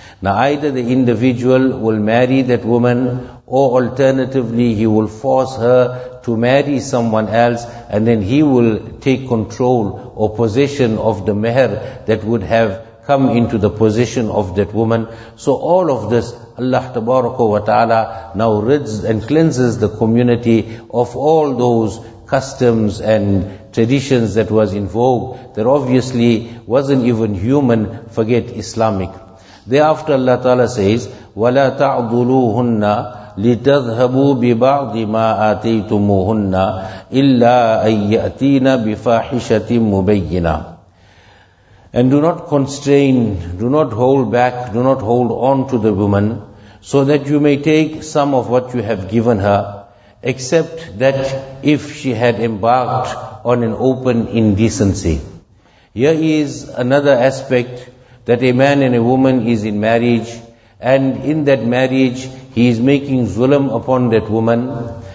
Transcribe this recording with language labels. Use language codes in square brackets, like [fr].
[en] Now either the individual will marry that woman, or alternatively he will force her to marry someone else, and then he will take control or possession of the mehr that would have come into the possession of that woman. So all of this, Allah Tabaraka wa Ta'ala now rids and cleanses the community of all those customs and traditions that was in vogue, that obviously wasn't even human, forget Islamic. Thereafter Allah Ta'ala says, [ar] وَلَا تَعْضُلُوهُنَّ لِتَذْهَبُوا بِبَعْضِ مَا آتَيْتُمُوهُنَّ إِلَّا أَن يَأْتِينَ بِفَاحِشَةٍ مُبَيِّنَةٍ. [en] And do not constrain, do not hold back, do not hold on to the woman, so that you may take some of what you have given her, except that if she had embarked on an open indecency. Here is another aspect, that a man and a woman is in marriage, and in that marriage he is making zulm upon that woman.